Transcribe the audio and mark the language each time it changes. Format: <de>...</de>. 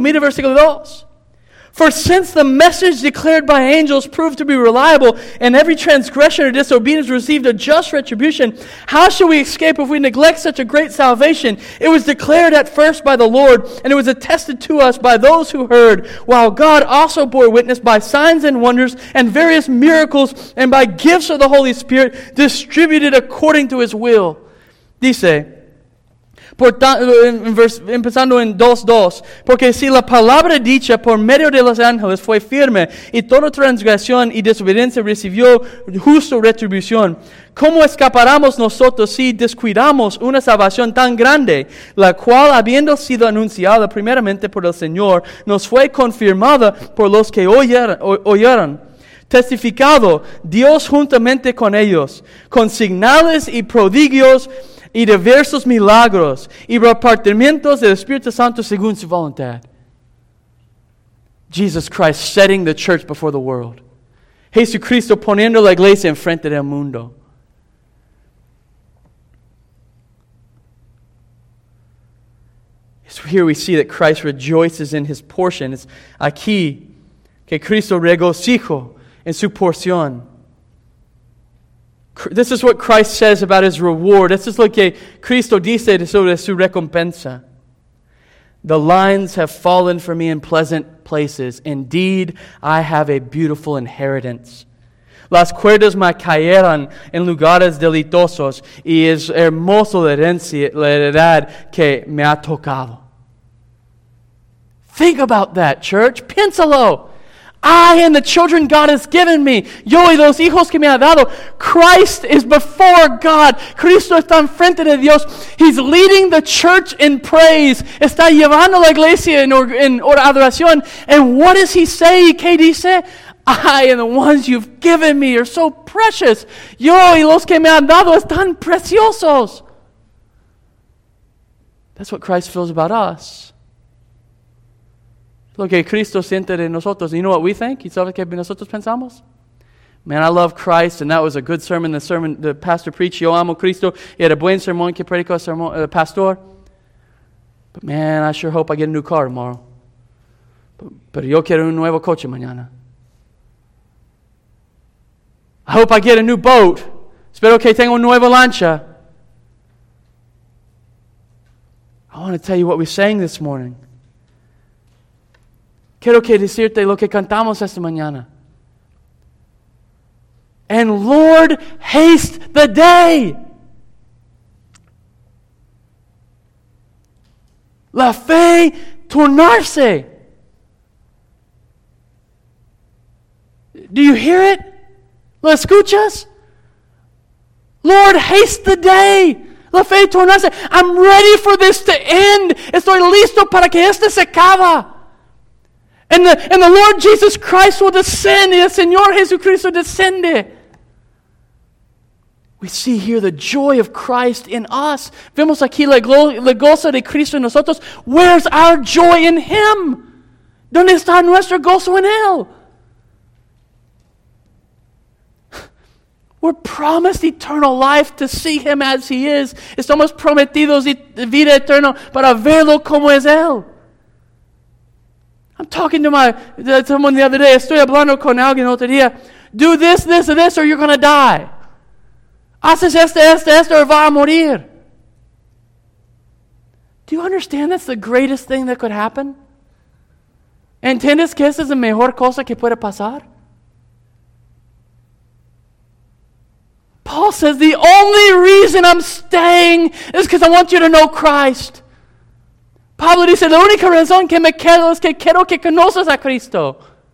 <es>Mira versículo 2.</es> <en>For since the message declared by angels proved to be reliable, and every transgression or disobedience received a just retribution, how shall we escape if we neglect such a great salvation? It was declared at first by the Lord, and it was attested to us by those who heard, while God also bore witness by signs and wonders and various miracles and by gifts of the Holy Spirit distributed according to his will.</en> <es>Dice, empezando en 2:2, porque si la palabra dicha por medio de los ángeles fue firme y toda transgresión y desobediencia recibió justo retribución, ¿cómo escaparamos nosotros si descuidamos una salvación tan grande, la cual habiendo sido anunciada primeramente por el Señor, nos fue confirmada por los que oyeron? Testificado Dios juntamente con ellos, con señales y prodigios y diversos milagros y repartimientos del Espíritu Santo según su voluntad.</es> <en>Jesus Christ setting the church before the world.</en> <es>Jesucristo poniendo la iglesia en frente del mundo.</es> <en>So here we see that Christ rejoices in his portion. It's</en> <es>aquí que Cristo regocijo en su porción.</es> <en>This is what Christ says about his reward. This is</en> <es>lo que Cristo dice sobre su recompensa.</es> <en>The lines have fallen for me in pleasant places. Indeed, I have a beautiful inheritance.</en> <es>Las cuerdas me cayeron en lugares delitosos y es hermoso la heredad que me ha tocado.</es> <en>Think about that, church.</en> <es>Piénsalo.</es> <en>I and the children God has given me.</en> <es>Yo y los hijos que me ha dado.</es> <en>Christ is before God.</en> <es>Cristo está en frente de Dios.</es> <en>He's leading the church in praise.</en> <es>Está llevando la iglesia en adoración.</es> <en>And what does he say?</en> <es>¿Qué dice?</es> <en>I and the ones you've given me are so precious.</en> <es>Yo y los que me han dado están preciosos.</es> <en>That's what Christ feels about us.</en> <es>Lo que Cristo siente de nosotros.</es> <en>You know what we think? You know what</en> <es>nosotros pensamos?</es> <en>Man, I love Christ, and that was a good sermon. The pastor preached.</en> <es>Yo amo Cristo. Era buen sermón que predicó el pastor.</es> <en>But man, I sure hope I get a new car tomorrow.</en> <es>Pero yo quiero un nuevo coche mañana.</es> <en>I hope I get a new boat.</en> <es>Espero que tenga una nueva lancha.</es> <en>I want to tell you what we sang this morning.</en> <es>Quiero que decirte lo que cantamos esta mañana.</es> <en>And Lord, haste the day.</en> <es>La fe tornarse.</es> <en>Do you hear it?</en> <es>¿Lo escuchas?</es> <en>Lord, haste the day.</en> <es>La fe tornarse.</es> <en>I'm ready for this to end.</en> <es>Estoy listo para que esto se acabe.</es> <en>And the Lord Jesus Christ will descend.</en> <es>Y el Señor Jesucristo descende.</es> <en>We see here the joy of Christ in us.</en> <es>Vemos aquí la gozo de Cristo en nosotros.</es> <en>Where's our joy in Him?</en> <es>¿Dónde está nuestro gozo en Él?</es> <en>We're promised eternal life to see Him as He is.</en> <es>Estamos prometidos vida eterna para verlo como es Él.</es> <en>I'm talking to someone the other day.</en> <es>Estoy hablando con alguien otro día.</es> <en>Do this, this, and this, or you're going to die.</en> <es>Haces esto, esto, esto, o va a morir.</es> <en>Do you understand that's the greatest thing that could happen?</en> <es>¿Entiendes que esa es la mejor cosa que puede pasar?</es> <en>Paul says, the only reason I'm staying is because I want you to know Christ.</en> <es>Pablo dice, la única razón que me quedo es que quiero que conozcas a Cristo.</es>